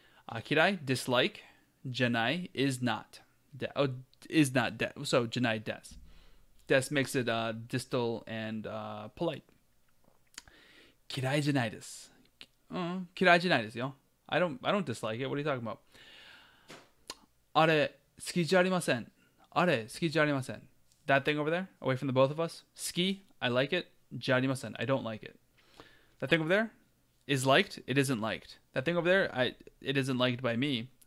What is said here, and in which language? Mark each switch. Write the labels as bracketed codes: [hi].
[en] Kirai, dislike. Janai, is not. So, janai desu. Desu makes it distal and polite. [ja] 嫌いじゃないです。嫌いじゃないですよ。 [en] I don't dislike it. What are you talking about? [ja] あれ、好きじゃありません。あれ、好きじゃありません。 [en] That thing over there, away from the both of us. 好き、I like it. [ja] じゃありません。 [en] I don't like it. That thing over there is liked. It isn't liked. That thing over there, it isn't liked by me.